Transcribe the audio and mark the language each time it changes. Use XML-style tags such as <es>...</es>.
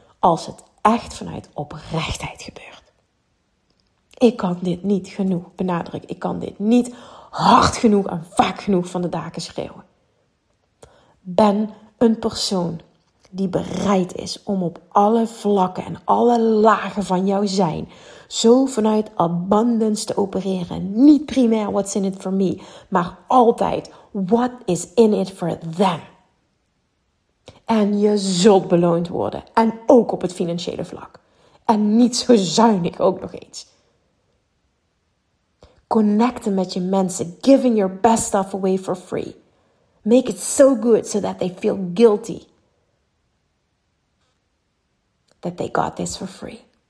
<nl>Als het echt vanuit oprechtheid gebeurt. Ik kan dit niet genoeg benadrukken. Ik kan dit niet hard genoeg en vaak genoeg van de daken schreeuwen. Ben een persoon die bereid is om op alle vlakken en alle lagen van jouw zijn zo vanuit abundance te opereren. Niet primair</nl> <en>what's in it for me,</en> <nl>maar altijd</nl> <en>what is in it for them.</en> <nl>En je zult beloond worden. En ook op het financiële vlak. En niet zo zuinig ook nog eens. Connecten met je mensen.</nl> <en>Giving your best stuff away for free. Make it so good so that they feel guilty that they got this for free.</en>